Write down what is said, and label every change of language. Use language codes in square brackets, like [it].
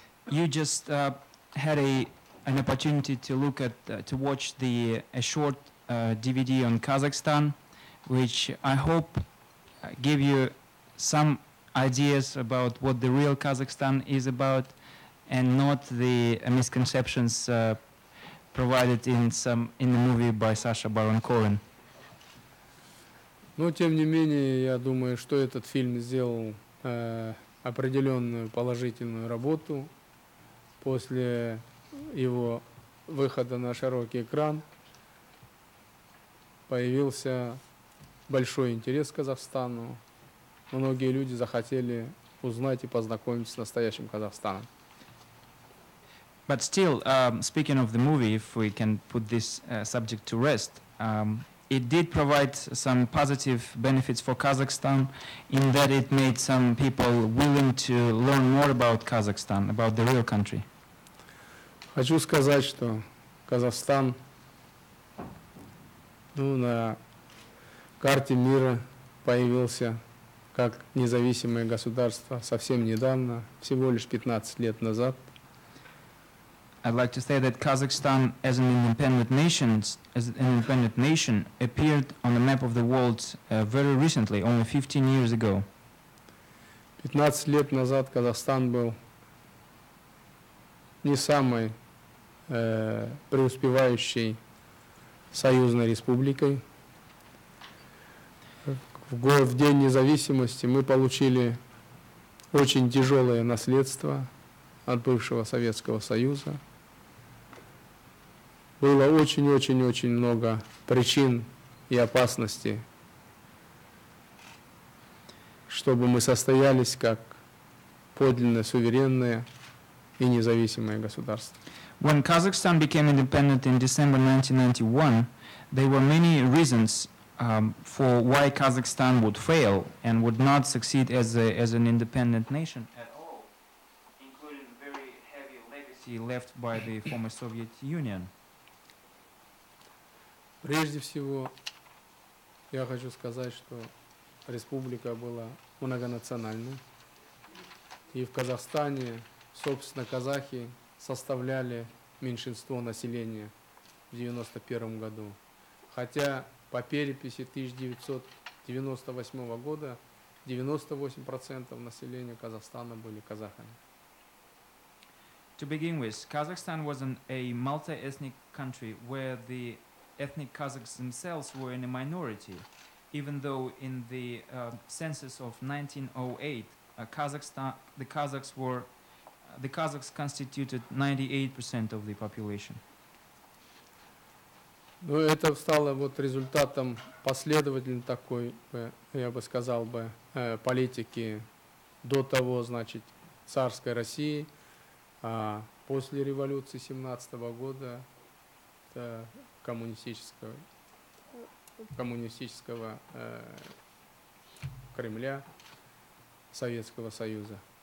[en] You just had an opportunity to look at to watch the a short DVD on Kazakhstan, which I hope give you some ideas about what the real Kazakhstan is about, and not the misconceptions provided in the movie by Sasha Baron Cohen. [ru] Но тем не менее, я думаю, что этот фильм сделал определенную положительную работу. После его выхода на широкий экран появился большой интерес к Казахстану. Многие люди захотели узнать и познакомиться с настоящим Казахстаном. [en] But still, speaking of the movie, if we can put this subject to rest, it did provide some positive benefits for Kazakhstan in that it made some people willing to learn more about Kazakhstan, about the real country. [ru] Хочу сказать, что Казахстан, ну, на карте мира появился как независимое государство совсем недавно, всего лишь 15 лет назад. [en] I'd like to say that Kazakhstan as an independent nation, appeared on the map of the world very recently, only 15 years ago. [ru] 15 лет назад Казахстан был не самой преуспевающей союзной республикой. В день независимости мы получили очень тяжелое наследство от бывшего Советского Союза. было очень-очень-очень много причин и опасностей, чтобы мы состоялись как подлинное суверенное и независимое государство. [en] When Kazakhstan became independent in December 1991, there were many reasons for why Kazakhstan would fail and would not succeed as an independent nation at all, including the very heavy legacy left by the former Soviet Union. [ru] Прежде всего, я хочу сказать, что республика была многонациональной, и в Казахстане, собственно, казахи составляли меньшинство населения в 91 году. Хотя по переписи 1998 года 98% населения Казахстана были казахами. [en] To begin with, Kazakhstan was a multi-ethnic country where the ethnic Kazakhs themselves were in a minority, even though in the census of 1908, the Kazakhs constituted 98% of the population. [ru] Ну, это стало вот результатом последовательной такой, я бы сказал бы, политики до того, значит, царской России, а после революции 17 года коммунистического Кремля, Советского Союза.